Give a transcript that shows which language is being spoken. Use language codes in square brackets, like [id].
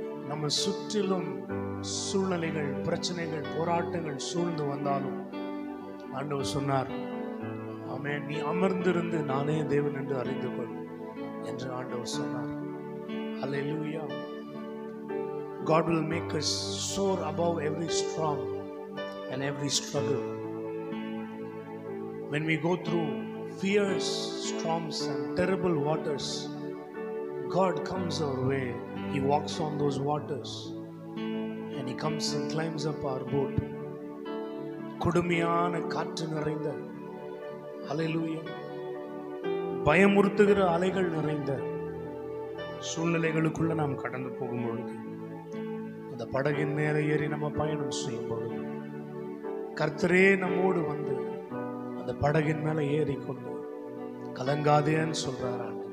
[ta] நம்ம சுற்றிலும் சூழ்நிலைகள், பிரச்சனைகள், போராட்டங்கள் சூழ்ந்து வந்தாலும் ஆண்டவர் சொன்னார், ஆமே நீ அமர்ந்திருந்து நானே தேவன் என்று அறிந்து கொள் என்று ஆண்டவர் சொன்னார். ஹல்லேலூயா. [en] God will make us soar above every storm and every struggle. When we go through fierce storms and terrible waters, God comes our way. He walks on those waters and he comes and climbs up our boat. [ta] கொடுமையான காற்று நிறைந்த, ஹல்லேலூயா, பயமுறுத்துகிற அலைகள் நிறைந்த சூழ்நிலைகளுக்குள்ள நாம் கடந்து போகும் பொழுது, அந்த படகின் மேல ஏறி நம்ம பயணம் செய்யும் பொழுது, கர்த்தரே நம்மோடு வந்து அந்த படகின் மேல ஏறிக்கொண்டு கலங்காதேன்னு சொல்றாரா.